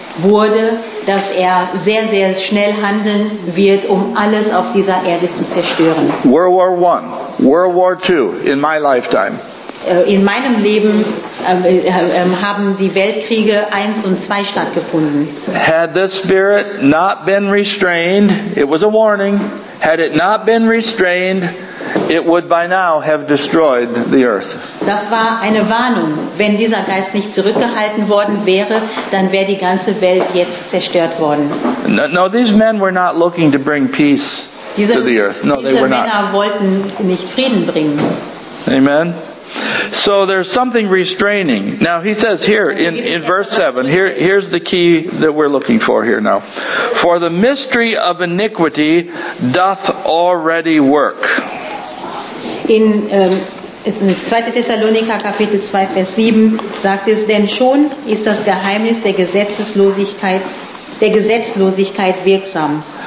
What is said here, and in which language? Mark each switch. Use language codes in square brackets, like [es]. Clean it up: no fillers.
[de] wurde, dass er sehr, sehr schnell handeln wird, um alles auf dieser Erde zu zerstören. [en] World War I, World War II, in my lifetime. [de] In meinem Leben haben die Weltkriege 1 und 2 stattgefunden. [en] Had the spirit not been restrained, it was a warning. Had it not been restrained, it would by now have destroyed the earth. [de] Das war eine Warnung. Wenn dieser Geist nicht zurückgehalten worden wäre, dann wäre die ganze Welt jetzt zerstört worden. [en] No, these men were not looking to bring peace [de] diese, [en] to the earth. No, they were not. [de] Diese Männer wollten nicht Frieden bringen. [en] Amen. So there's something restraining. Now he says here in verse 7, here's the key that we're looking for here now. For the mystery of iniquity doth already work. [de] In 2. Thessalonicher Kapitel 2 Vers 7 sagt es, denn schon ist das Geheimnis der Gesetzlosigkeit wirksam.